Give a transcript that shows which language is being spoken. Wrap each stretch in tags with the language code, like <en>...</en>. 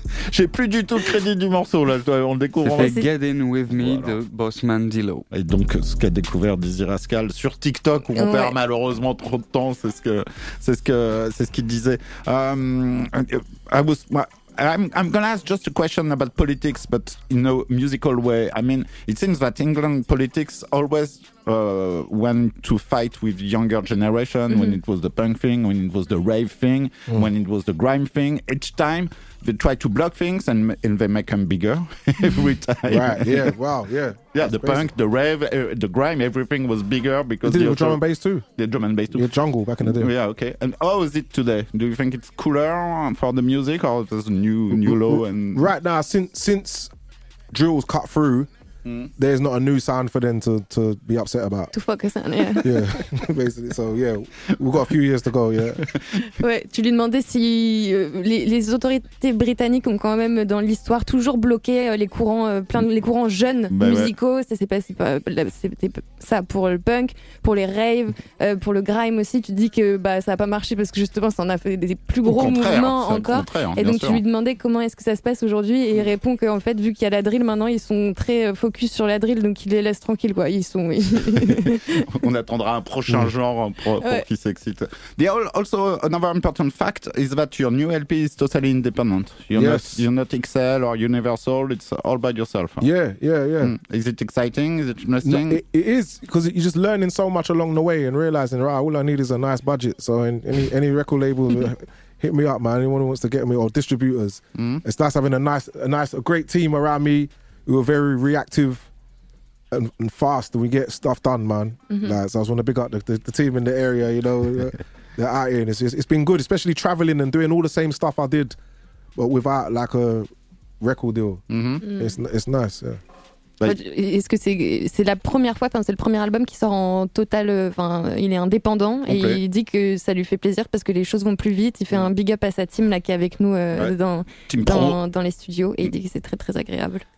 <fr>J'ai plus du tout le crédit du morceau, là, on le découvre. C'est fait Get In With Me, voilà. De Bossman D-Lo. Et donc, ce qu'a découvert Dizzy Rascal sur TikTok, où on perd malheureusement trop de temps, c'est ce qu'il disait.</fr> <en>I'm going to ask just a question about politics, but in a musical way. I mean, it seems that England politics always went to fight with younger generation, when it was the punk thing, when it was the rave thing, when it was the grime thing. Each time, they try to block things and they make them bigger every time. Right, yeah, wow, yeah. Yeah, the punk, the rave, the grime, everything was bigger because... They did drum and bass too. The drum and bass too. Yeah, jungle back in the day. Yeah, okay. And how is it today? Do you think it's cooler for the music or there's a new low? And right now, since drill was cut through, there's not a new sound for them to be upset about. To focus on, yeah. Yeah, basically. So, yeah, we've got a few years to go, yeah.</en> <fr>Ouais, tu lui demandais si les autorités britanniques ont quand même, dans l'histoire, toujours bloqué les courants jeunes musicaux. Ouais. C'était pour le punk, pour les raves, pour le grime aussi. Tu dis que ça n'a pas marché parce que justement, ça en a fait des plus gros mouvements encore. Et donc, sûr. Tu lui demandais comment est-ce que ça se passe aujourd'hui. Et il répond qu'en fait, vu qu'il y a la drill maintenant, ils sont très focus sur la drill, donc il les laisse tranquilles, quoi. Ils sont. On attendra un prochain genre pour qu'ils s'excitent.</fr> <en>Also, another important fact is that your new LP is totally independent. You're not Excel or Universal, it's all by yourself. Yeah, yeah, yeah. Mm. Is it exciting? Is it interesting? No, it is, because you're just learning so much along the way and realizing, right, all I need is a nice budget. So, any record label. Hit me up, man. Anyone who wants to get me, or distributors. Mm. It's nice having a great team around me who are very reactive and fast, and we get stuff done, man. Mm-hmm. Like, so I just want to big up the team in the area, you know. They're out here, and it's been good, especially traveling and doing all the same stuff I did, but without like a record deal. Mm-hmm. It's nice, yeah.</en> <fr>Est-ce que c'est la première fois, c'est le premier album qui sort en total, il est indépendant, okay. Et il dit que ça lui fait plaisir parce que les choses vont plus vite. Il fait un big up à sa team là, qui est avec nous dans les studios, et il dit que c'est très très agréable.</fr>